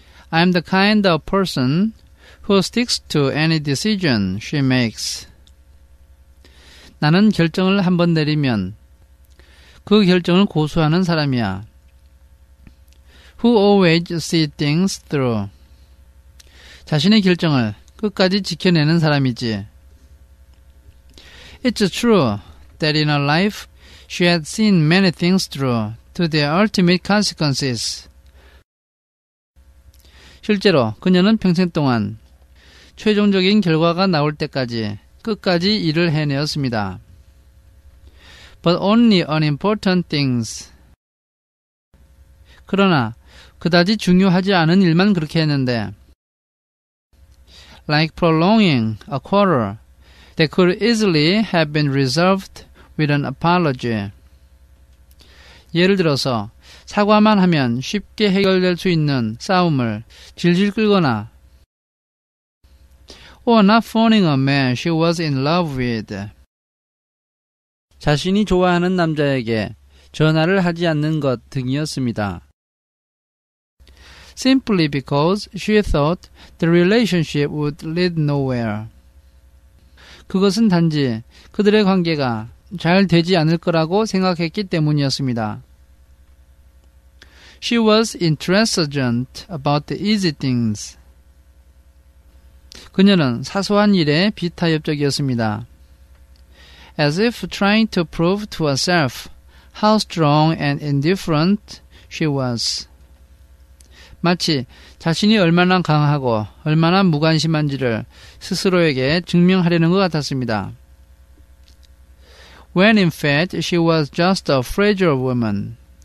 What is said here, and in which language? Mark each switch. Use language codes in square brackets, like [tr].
[en] I'm the kind of person who sticks to any decision she makes. [ko] 나는 결정을 한번 내리면 그 결정을 고수하는 사람이야. [en] Who always sees things through. [ko] 자신의 결정을 끝까지 지켜내는 사람이지. [en] It's true that in her life she had seen many things through to their ultimate consequences. [ko] 실제로 그녀는 평생 동안 최종적인 결과가 나올 때까지 끝까지 일을 해내었습니다. [en] But only unimportant things. [ko] 그러나 그다지 중요하지 않은 일만 그렇게 했는데 [en] Like prolonging a quarrel that could easily have been resolved with an apology. [ko] 예를 들어서 사과만 하면 쉽게 해결될 수 있는 싸움을 질질 끌거나 [en] Or not phoning a man she was in love with. [ko] 자신이 좋아하는 남자에게 전화를 하지 않는 것 등이었습니다. [en] Simply because she thought the relationship would lead nowhere. [ko] 그것은 단지 그들의 관계가 잘 되지 않을 거라고 생각했기 때문이었습니다. [en] She was intransigent about the easy things. [ko] 그녀는 사소한 일에 비타협적이었습니다. [en] As if trying to prove to herself how strong and indifferent she was. [ko] 마치 자신이 얼마나 강하고 얼마나 무관심한지를 스스로에게 증명하려는 것 같았습니다. [en] when in fact she was just a fragile woman.